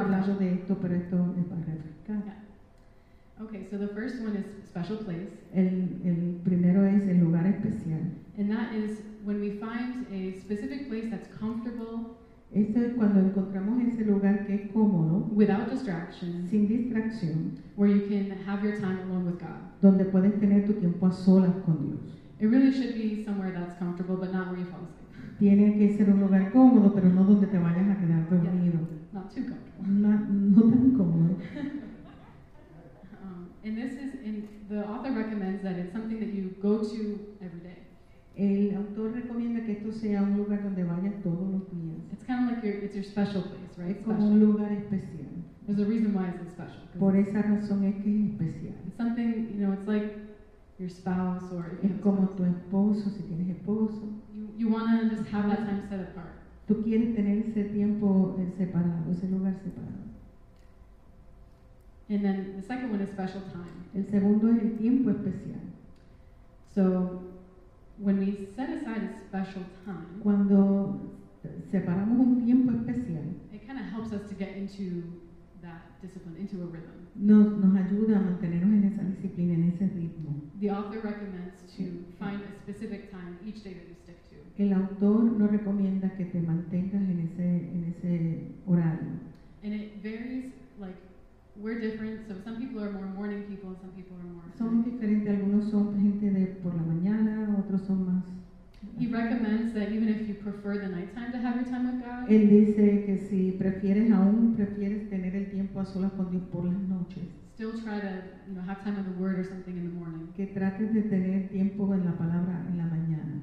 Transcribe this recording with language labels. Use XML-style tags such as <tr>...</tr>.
<es>hablado de esto, pero esto es para refrescar.</es> <en>Yeah. Okay, so the first one is special place.</en> <es>El primero es el lugar especial.</es> <en>And that is when we find a specific place that's comfortable.</en> <es>Ese es cuando encontramos ese lugar que es cómodo.</es> <en>Without distraction.</en> <es>Sin distracción.</es> <en>Where you can have your time alone with God.</en> <es>Donde puedes tener tu tiempo a solas con Dios.</es> <en>It really should be somewhere that's comfortable, but not where you fall asleep.</en> <es>Tiene que ser un lugar cómodo, pero no donde te vayas a quedar dormido.</es> <en>Yeah, not too comfortable.</en> <es>No tan cómodo.</es> <en>And this is, in, the author recommends that it's something that you go to every day.</en> <es>El autor recomienda que esto sea un lugar donde vayas todos los días.</es> <en>It's kind of like it's your special place, right?</en> <es>Es como un lugar especial.</es> <en>There's a reason why it's special.</en> <es>Por esa razón es que es especial.</es> <en>It's something, you know, it's like your spouse or</en> <es>es como tu esposo si tienes esposo.</es> <en>You want to just have that time set apart.</en> <es>Tú quieres tener ese tiempo separado, ese lugar separado.</es> <en>And then the second one is special time.</en> <es>El segundo es el tiempo especial.</es> <en>So when we set aside a special time,</en> <es>cuando separamos un tiempo especial,</es> <en>it kind of helps us to get into that discipline, into a rhythm.</en> <es>Nos ayuda a mantenernos en esa disciplina, en ese ritmo.</es> <en>The author recommends to find a specific time each day that you stick to.</en> <es>El autor nos recomienda que te mantengas en ese horario.</es> <en>And it varies, like, we're different, so some people are more morning people, and some people are more.</en> <es>Son diferentes, algunos son gente de por la mañana, otros son más.</es> <en>He recommends that even if you prefer the nighttime to have your time with God.</en> <es>Él dice que si prefieres aún prefieres tener el tiempo a solas con Dios por las noches.</es> <en>Still try to, you know, have time in the Word or something in the morning.</en> <es>Que trates de tener tiempo en la palabra en la mañana.</es>